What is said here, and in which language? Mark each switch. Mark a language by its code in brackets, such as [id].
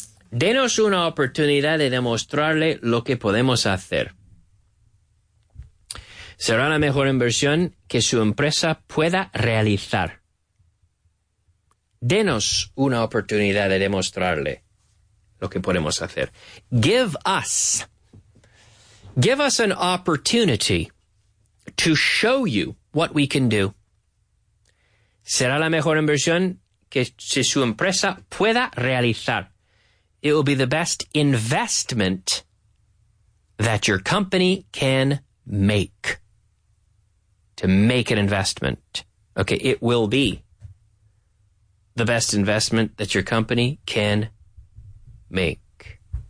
[es] Denos una oportunidad de demostrarle lo que podemos hacer. Será la mejor inversión que su empresa pueda realizar. Denos una oportunidad de demostrarle lo que podemos hacer. [en] Give us an opportunity to show you what we can do. [es] Será la mejor inversión que su empresa pueda realizar. [en] It will be the best investment that your company can make. To make an investment. Okay, it will be the best investment that your company can make.